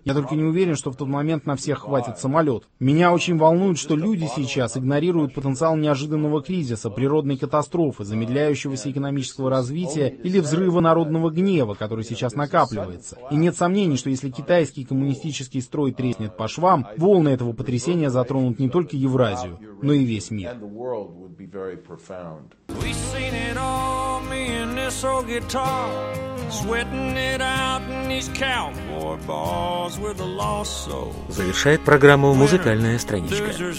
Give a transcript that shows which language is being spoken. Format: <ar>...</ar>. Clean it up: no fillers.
<ru>Я только не уверен, что в тот момент на всех хватит самолет. Меня очень волнует, что люди сейчас игнорируют потенциал неожиданного кризиса, природной катастрофы, замедляющегося экономического развития или взрыва народного гнева, который сейчас накапливается. И нет сомнений, что если китайский коммунистический строй треснет по швам, волны этого потрясения затронут не только Евразию, но и весь мир.</ru> <en>We've seen it all, me and this old guitar, sweating it out in these cowboy bars with a lost soul.</en> <ru>Завершает программу музыкальная страничка.</ru>